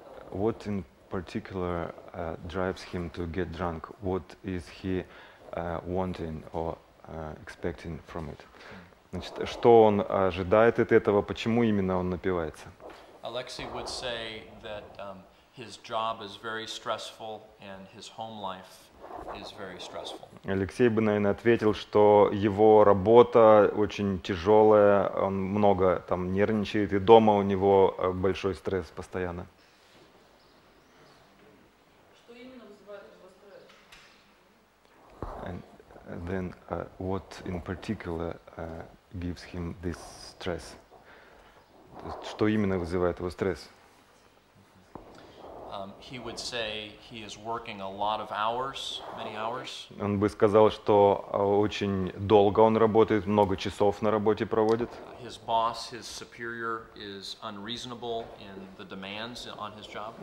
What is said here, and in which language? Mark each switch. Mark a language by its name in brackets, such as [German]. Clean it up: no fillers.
[English] what in particular drives him to get drunk? What is he wanting or expecting from it? [Russian] Значит, что он ожидает от этого? Почему именно он напивается? [English] Alexei would say that his job is very stressful and his home life is very stressful. [Russian] Алексей бы, наверное, ответил, что его работа очень тяжелая, он много там нервничает, и дома у него большой стресс постоянно. Что именно вызывает его стресс? [English] And then what in particular gives him this stress? [Russian] Что именно вызывает его стресс? [English] He would say he is working a lot of hours, many hours. [Russian] Он бы сказал, что очень долго он работает, много часов на работе проводит. [English] His boss, his superior is unreasonable in the demands on his job.